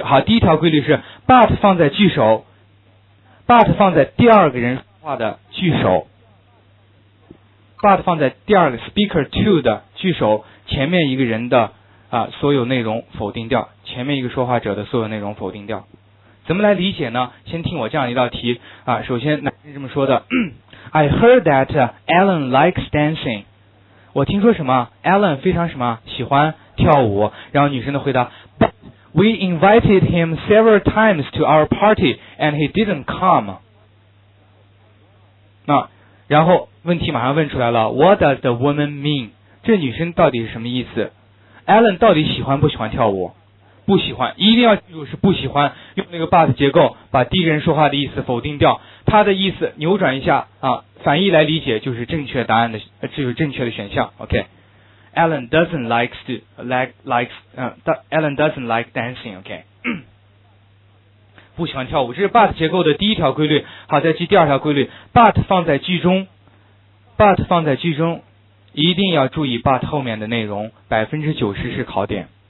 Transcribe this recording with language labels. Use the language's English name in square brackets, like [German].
[Chinese] 好，第一条规律是 but 放在句首 ，but 放在第二个人说话的句首。 but 放在第二个 speaker to 的句首前面一个人的所有内容否定掉，前面一个说话者的所有内容否定掉，怎么来理解呢？先听我这样一道题首先男生这么说的 [English] I heard that Alan likes dancing， [Chinese] 我听说什么 Alan 非常什么喜欢跳舞，然后女生的回答 [English] but we invited him several times to our party and he didn't come。 [Chinese] 然后问题马上问出来了， [English] What does the woman mean？ [Chinese] 这女生到底是什么意思？Alan 到底喜欢不喜欢跳舞？不喜欢，一定要记住是不喜欢，用那个 but 结构把第一个人说话的意思否定掉，他的意思扭转一下反义来理解就是正确答案的，就是正确的选项。 [English] OK, Alan doesn't like to Alan doesn't like dancing. [Chinese] OK, 不喜欢跳舞，这是 but 结构的第一条规律。好，再记第二条规律 ，but 放在句中 ，but 放在句中，一定要注意 but 后面的内容，90%是考点。